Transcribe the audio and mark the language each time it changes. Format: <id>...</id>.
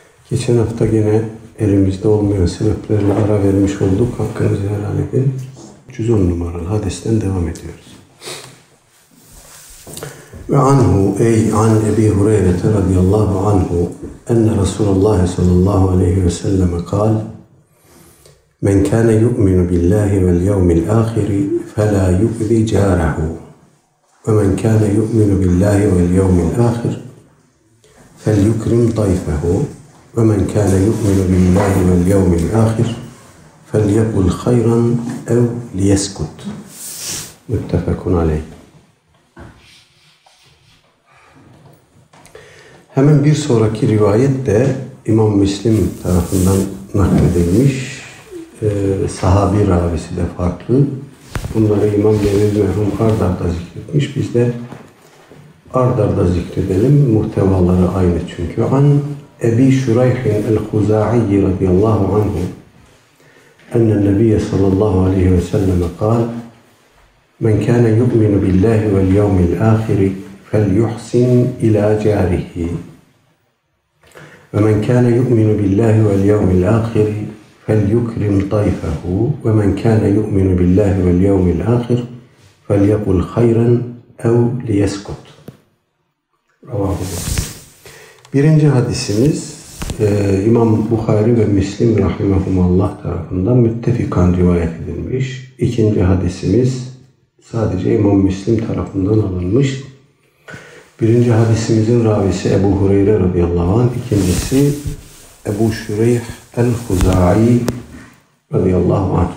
<tr>Geçen hafta yine elimizde olmayan sebeplerle ara vermiş olduk. Hakkınızı helal edin. 110 numaralı hadisten devam ediyoruz.</tr> <ar>وعنه أي عن أبي هريرة رضي الله عنه أن رسول الله صلى الله عليه وسلم قال من كان يؤمن بالله واليوم الآخر فلا يؤذي جاره ومن كان يؤمن بالله واليوم الآخر فليكرم ضيفه ومن كان يؤمن بالله واليوم الآخر فليقل خيرا أو ليسكت متفق عليه.</ar> <tr>Hemen bir sonraki rivayet de İmam Müslim tarafından nakledilmiş. Sahabi ravisi de farklı. Bunları İmam Nevevi merhum ardarda zikretmiş. Biz de ardarda zikredelim. Muhtevaları aynı çünkü.</tr> <ar>An Ebi Şurayhin el-Huza'iyyi radiyallahu anhu ennen nebiye sallallahu aleyhi ve selleme kal men kâne yu'minu billahi vel yevmil âhiri فَلْيُحْسِنْ إِلَى جَارِهِ وَمَنْ كَانَ يُؤْمِنُ بِاللّٰهِ وَالْيَوْمِ الْآخِرِ فَلْيُكْرِمْ طَيْفَهُ وَمَنْ كَانَ يُؤْمِنُ بِاللّٰهِ وَالْيَوْمِ الْآخِرِ فَلْيَقُلْ خَيْرًا اَوْ لِيَسْكُتْ.</ar> <tr>Birinci hadisimiz İmam Bukhari ve Müslim rahimahumallah tarafından müttefikan rivayet edilmiş. İkinci hadisimiz sadece İmam Müslim tarafından alınmış. Birinci hadisimizin ravisi Ebu Hureyre radıyallahu anh, ikincisi Ebu Şureyh el-Huza'i radıyallahu anh.</tr>